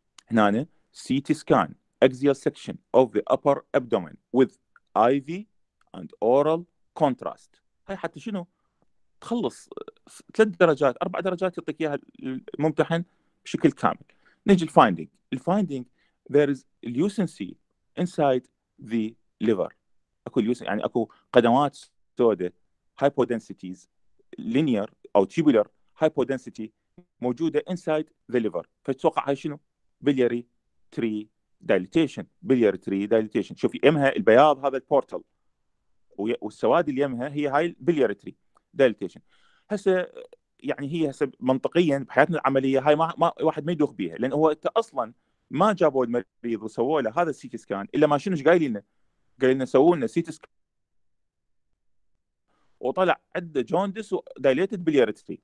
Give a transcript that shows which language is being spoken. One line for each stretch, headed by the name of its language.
Arabic: هنا أنا
English: CT scan axial section of the upper abdomen with IV and oral contrast.
Arabic: هاي حتى شنو؟ تخلص ثلاث درجات أربع درجات يعطيك إياها الممتحن بشكل كامل. نجي الفايندينج.
English: الفايندينج there is lucency inside the liver. أكو lucency
Arabic: يعني أكو قدمات سودة
English: hypodensities linear أو tubular hypodensity موجودة inside the liver.
Arabic: فتوقع هاي شنو؟
English: biliary tree dilatation. biliary tree dilatation.
Arabic: شوفي يمها البياض هذا البورتال والسواد اللي يمها هي هاي
English: biliary tree dilatation.
Arabic: هسه يعني هي هسه منطقيا بحياتنا العملية هاي ما واحد ما يدوخ بيها، لأن هو أنت أصلا ما جابوا المريض وسووا له هذا CT scan إلا ما شنوش قايل لنا، قايل لنا سووا لنا CT scan وطلع عدة جوندس
English: dilated biliary tree.